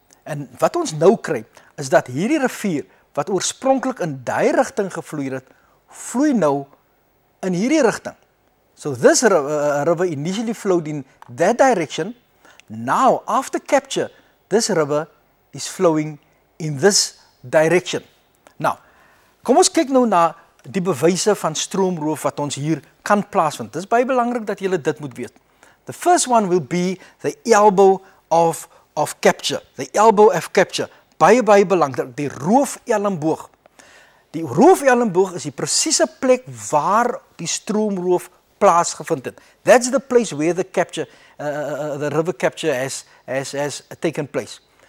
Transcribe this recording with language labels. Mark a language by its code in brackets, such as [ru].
[af] En wat ons nou kry, is dat hierdie rivier, wat oorspronkelijk in die richting gevloei het, vloei nou in hierdie richting. [en] So this river initially flowed in that direction. Now, after capture, this river is flowing in this direction. [af] Now, kom ons kyk nou na die bewyse van stroomroof wat ons hier kan plaasvind. Dis baie belangrik dat julle dit moet weet. [en] The first one will be the elbow of capture. The elbow of capture. [af] Baie, baie belangrik. Die roof elmboog. Die roof elmboog is die precieze plek waar die stroomroof plaasgevind het. [en] That's the place where the capture, the river capture has taken place.